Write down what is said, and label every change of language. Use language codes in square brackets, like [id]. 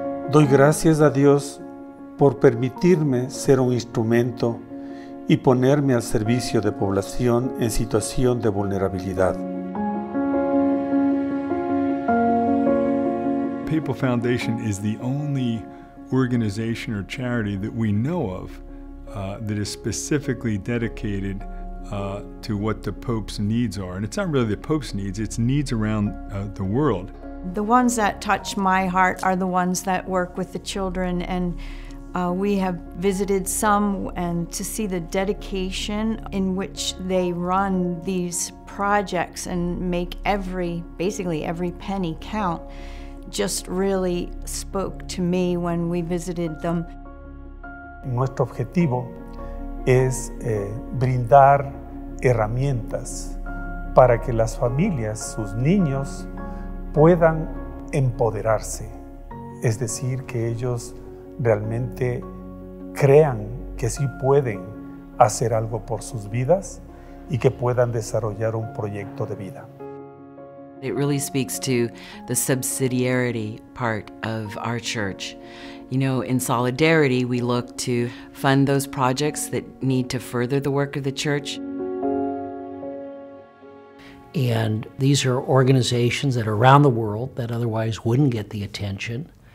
[es] Doy gracias a Dios por permitirme ser un instrumento y ponerme al servicio de población en situación de vulnerabilidad. [en] People Foundation is the only organization or charity that we know of that is specifically dedicated to what the Pope's needs are. And it's not really the Pope's needs, it's needs around the world. The ones that touch my heart are the ones that work with the children, and we have visited some, and to see the dedication in which they run these projects and make basically every penny count just really spoke to me when we visited them. [es] Nuestro objetivo es brindar herramientas para que las familias, sus niños, puedan empoderarse, es decir, que ellos realmente crean que sí pueden hacer algo por sus vidas y que puedan desarrollar un proyecto de vida. [en] It really speaks to the subsidiarity part of our church. You know, in solidarity, we look to fund those projects that need to further the work of the church. And these are organizations that are around the world that otherwise wouldn't get the attention.